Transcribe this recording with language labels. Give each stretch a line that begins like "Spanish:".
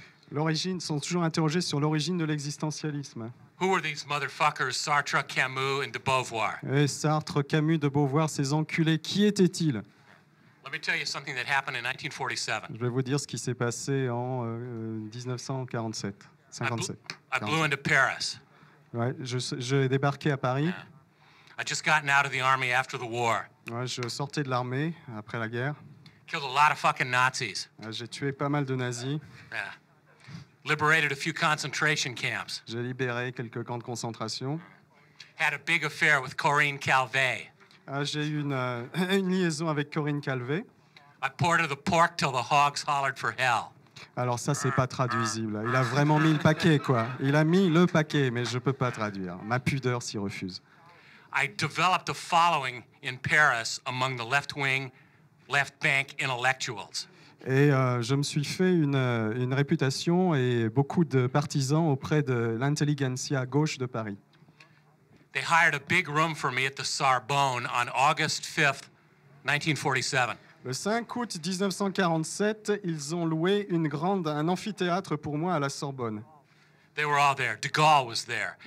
French: L'origine sont toujours interrogés sur l'origine de l'existentialisme.
English: Who are these motherfuckers, Sartre, Camus, and de Beauvoir?
French: Et Sartre, Camus, de Beauvoir, ces enculés, qui étaient-ils?
English: Let me tell you something that happened in 1947.
French: Je vais vous dire ce qui s'est passé en 1947.
English: I blew into Paris.
French: Ouais, je débarqué à Paris.
English: I just gotten out of the army after the war.
French: Ouais, je sortais de l'armée après la guerre.
English: Killed a lot of fucking Nazis.
French: J'ai tué pas mal de nazis.
English: Yeah. Liberated a few concentration camps.
French: J'ai libéré quelques camps de concentration.
English: Had a big affair with Corinne Calvé.
French: J'ai eu une liaison avec Corinne Calvé.
English: I poured her the pork till the hogs hollered for help.
French: Alors ça, c'est pas traduisible. Il a vraiment mis le paquet, quoi. Il a mis le paquet, mais je peux pas traduire. Ma pudeur s'y refuse.
English: I developed a following in Paris among the left-wing, left-bank intellectuals.
French: Et je me suis fait une réputation et beaucoup de partisans auprès de l'intelligentsia gauche de Paris.
English: They hired a big room for me at the Sorbonne on August 5th, 1947.
French: Le 5 août 1947, ils ont loué un amphithéâtre pour moi à la Sorbonne.
English: They were all there. De Gaulle was there.